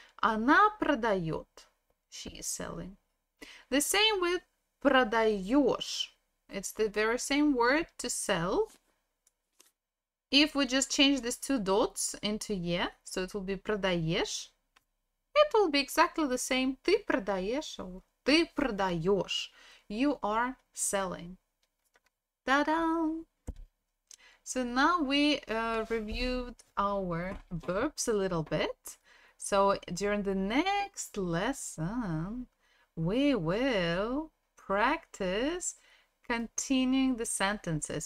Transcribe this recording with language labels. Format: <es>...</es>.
<ru>Она продает,</ru> <en>she is selling. The same with продаешь. It's the very same word to sell. If we just change these two dots into е, so it will be продаешь, it will be exactly the same.</en> <ru>Ты продаешь, or ты продаешь.</ru> <en>You are selling. Ta-da! So now we reviewed our verbs a little bit. So during the next lesson, we will practice continuing the sentences.</en>